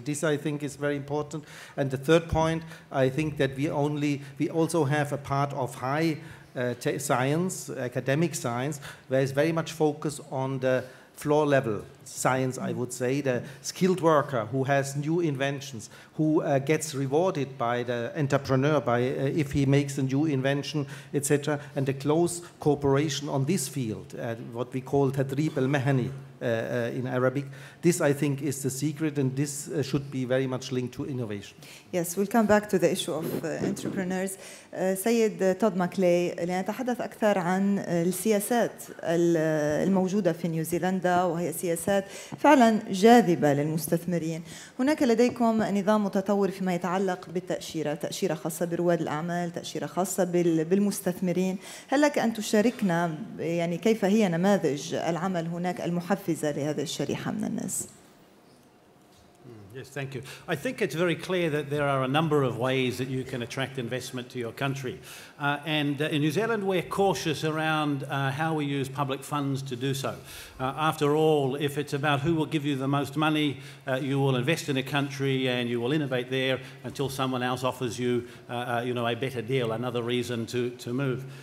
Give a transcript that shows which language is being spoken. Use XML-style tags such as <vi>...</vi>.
<en>This I think is very important. And the third point, I think that we also have a part of high science, academic science, where it's very much focused on the floor level science, I would say, the skilled worker who has new inventions, who gets rewarded by the entrepreneur if he makes a new invention, etc., and the close cooperation on this field, what we call Tadrib al Mahani in Arabic. This, I think, is the secret, and this should be very much linked to innovation. Yes, we'll come back to the issue of entrepreneurs.</en> <ar>سيد تود ماكلي، لنتحدث أكثر عن السياسات الموجودة في نيوزيلندا، وهي سياسات فعلا جاذبة للمستثمرين. هناك لديكم نظام متطور فيما يتعلق بالتأشيرة، تأشيرة خاصة برواد الأعمال، تأشيرة خاصة بالمستثمرين. هل لك أن تشاركنا يعني كيف هي نماذج العمل هناك المحفزة لهذه الشريحة من الناس؟</ar> <en>Yes, thank you. I think it's very clear that there are a number of ways that you can attract investment to your country. And in New Zealand, we're cautious around how we use public funds to do so. After all, if it's about who will give you the most money, you will invest in a country and you will innovate there until someone else offers you a better deal, another reason to move.</en>